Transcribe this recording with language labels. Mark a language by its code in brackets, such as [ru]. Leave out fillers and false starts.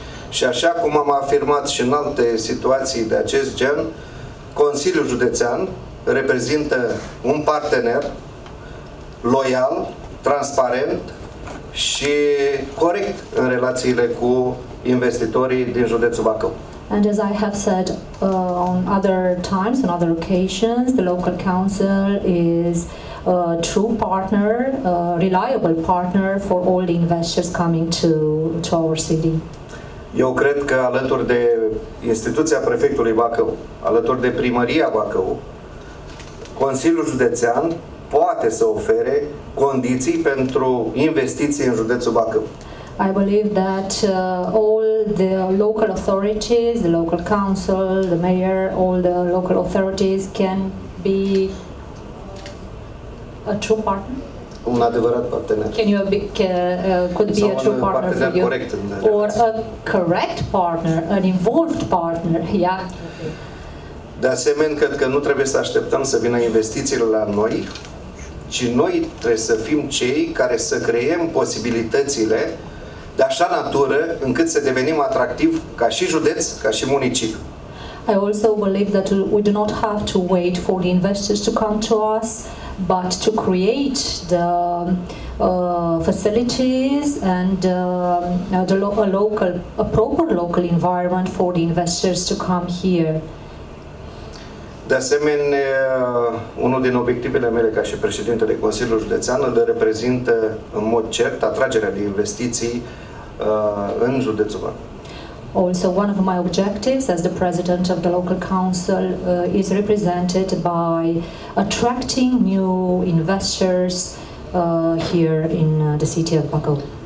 [ro] Și așa cum am afirmat și în alte situații de acest gen, Consiliul Județean reprezintă un partener loial, transparent și corect în relațiile cu investitorii din județul Bacău. [en] And as I have said on other times, on other occasions, the local council is a true partner, a reliable partner for all the investors coming to our city. [ro] Eu cred că alături de instituția prefectului Bacău, alături de primăria Bacău, Consiliul Județean poate să ofere condiții pentru investiții în județul Bacău. [en] I believe that all the local authorities, the local council, the mayor, all the local authorities can be a true partner. [ro] Un adevărat partener. [en] Can you be, could be [ro] sau [en] a true [ro] un partener, [en] partener for you? [ro] Corect în [en] or relație. A correct partner, an involved partner. Yeah. [ro] De asemenea, cred că nu trebuie să așteptăm să vină investițiile la noi, ci noi trebuie să fim cei care să creăm posibilitățile de așa natură încât să devenim atractiv ca și județ, ca și municipiu. [en] I also believe that we do not have to wait for the investors to come to us, but to create the facilities and a proper local environment for the investors to come here. [ro] De asemenea, unul din obiectivele mele ca și președintele Consiliului Județean îl reprezintă în mod cert atragerea de investiții în județul Bacău. [en] Also, one of my objectives as the president of the local council is represented by attracting new investors here in the city of Bacău.